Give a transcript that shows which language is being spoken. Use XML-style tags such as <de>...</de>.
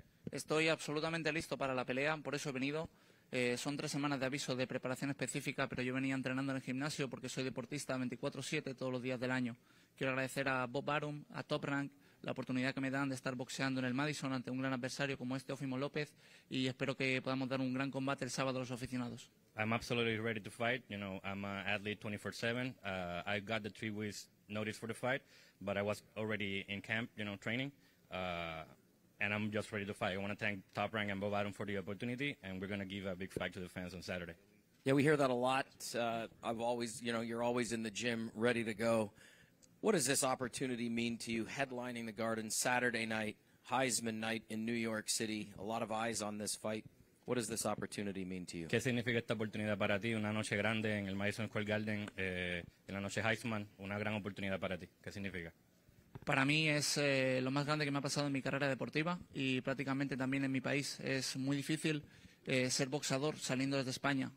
<es>Estoy absolutamente listo para la pelea, por eso he venido. Son 3 semanas de aviso de preparación específica, pero yo venía entrenando en el gimnasio porque soy deportista 24/7 todos los días del año. Quiero agradecer a Bob Arum, a Top Rank, la oportunidad que me dan de estar boxeando en el Madison ante un gran adversario como este Teofimo López, y espero que podamos dar un gran combate el sábado a los aficionados.</es> <en>I'm absolutely ready to fight. You know, I'm an athlete 24/7. I got the 3 weeks notice for the fight, but I was already in camp, you know, training. And I'm just ready to fight. I want to thank Top Rank and Bob Arum for the opportunity, and we're going to give a big fight to the fans on Saturday. Yeah, we hear that a lot. I've always, you know, you're always in the gym ready to go. What does this opportunity mean to you, headlining the Garden Saturday night, Heisman night in New York City? A lot of eyes on this fight. What does this opportunity mean to you?</en> <es>¿Qué significa esta oportunidad para ti? Una noche grande en el Madison Square Garden, en la noche Heisman, una gran oportunidad para ti. ¿Qué significa? Para mí es lo más grande que me ha pasado en mi carrera deportiva y prácticamente también en mi país. Es muy difícil ser boxeador saliendo desde España.</es>